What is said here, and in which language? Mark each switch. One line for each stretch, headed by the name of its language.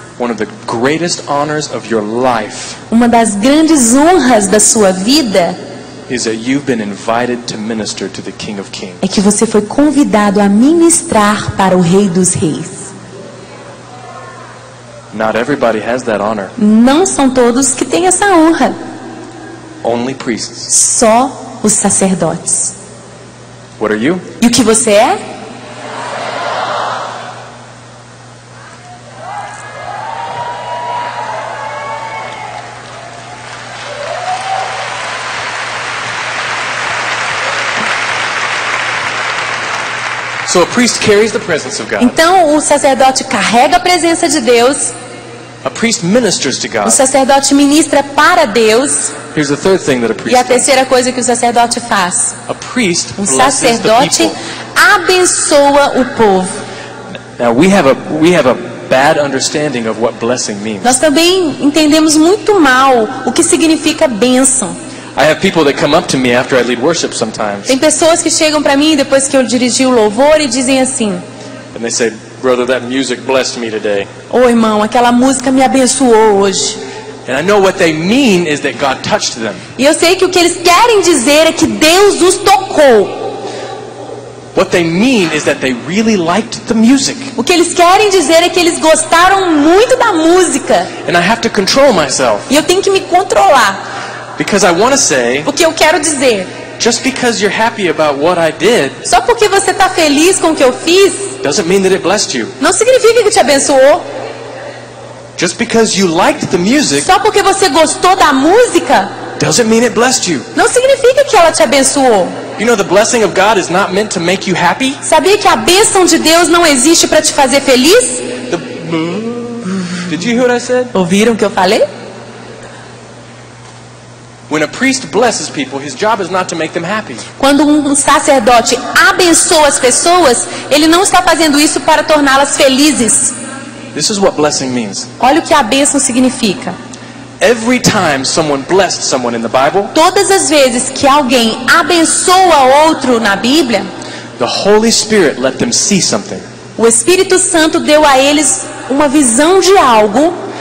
English: One of the greatest honors of your life.
Portuguese: Uma das grandes honras da sua vida.
English: Is that you've been invited to minister to the King of Kings.
Portuguese: É que você foi convidado a ministrar para o Rei dos Reis.
English: Not everybody has that honor.
Portuguese: Não são todos que têm essa honra.
English: Only priests.
Portuguese: Só os sacerdotes.
English: What are you?
Portuguese: E o que você é?
English: So a priest carries the presence of God.
Portuguese: Então o sacerdote carrega a presença de Deus.
English: A priest ministers to God.
Portuguese: O sacerdote ministra para Deus.
English: Here's the third thing that a priest
Portuguese: e a terceira coisa que o sacerdote faz.
English: A priest
Portuguese: um sacerdote abençoa o povo.
English: Now we have a bad understanding of what blessing means.
Portuguese: Nós também entendemos muito mal o que significa bênção.
English: I have people that come up to me after I lead worship sometimes.
Portuguese: Tem pessoas que chegam para mim depois que eu dirigi o louvor e dizem assim.
English: And they say, brother, that music blessed me today.
Portuguese: Oh, irmão, aquela música me abençoou hoje.
English: And I know what they mean is that God touched them.
Portuguese: E eu sei que o que eles querem dizer é que Deus os tocou.
English: What they mean is that they really liked the music.
Portuguese: O que eles querem dizer é que eles gostaram muito da música.
English: And I have to control myself.
Portuguese: E eu tenho que me controlar.
English: Because I want to say.
Portuguese: Porque eu quero dizer.
English: Just because you're happy about what I did.
Portuguese: Só porque você está feliz com o que eu fiz.
English: Doesn't mean that it blessed you.
Portuguese: Não significa que te abençoou.
English: Just because you liked the music.
Portuguese: Só porque você gostou da música.
English: Doesn't mean it blessed you.
Portuguese: Não significa que ela te abençoou.
English: You know, the blessing of God is not meant to make you happy.
Portuguese: Sabia que a bênção de Deus não existe para te fazer feliz?
English: Did you hear what I said?
Portuguese: Ouviram o que eu falei?
English: When a priest blesses people, his job is not to make them happy.
Portuguese: Quando sacerdote abençoa as pessoas, ele não está fazendo isso para torná-las felizes.
English: This is what blessing means.
Portuguese: Olha o que a bênção significa.
English: Every time someone blessed someone in the Bible,
Portuguese: todas as vezes que alguém abençoa outro na Bíblia,
English: the Holy Spirit let them see something.
Portuguese: O Espírito Santo deu a eles uma visão de algo.